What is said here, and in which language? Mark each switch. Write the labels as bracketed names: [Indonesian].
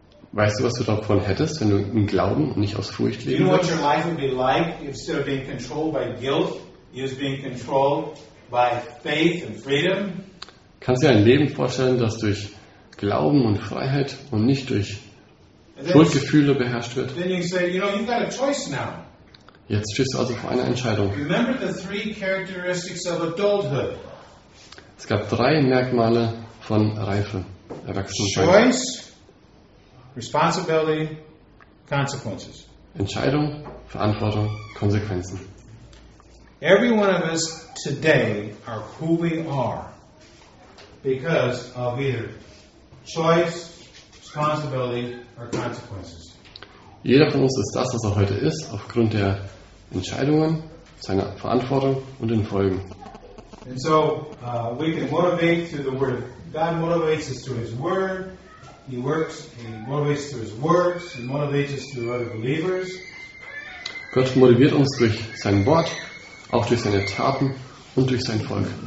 [German] Weißt du, was du davon hättest, wenn du im Glauben und nicht aus Furcht leben würdest? [English] Do you know what your life would be like instead of being controlled by guilt, you was being controlled by faith and freedom? [German] Kannst du dir ein Leben vorstellen, das durch Glauben und Freiheit und nicht durch Schuldgefühle beherrscht wird? [English] Then you say, you know, you've got a choice now. [German] Jetzt stehst du also vor einer Entscheidung. [English] Remember the three characteristics of adulthood. [German] Es gab drei Merkmale von Reife, Erwachsenenschein. [English] Choice, responsibility, consequences. [German] Entscheidung, Verantwortung, Konsequenzen. [English] Every one of us today are who we are because of either choice, responsibility or consequences. [German] Jeder von uns ist das, was er heute ist, aufgrund der Entscheidungen, seiner Verantwortung und den Folgen. [English] And so we can motivate through the word. God motivates us through his word. He works and he motivates through his works. He motivates us through other believers. [German] Gott motiviert uns durch sein Wort, auch durch seine Taten und durch sein Volk.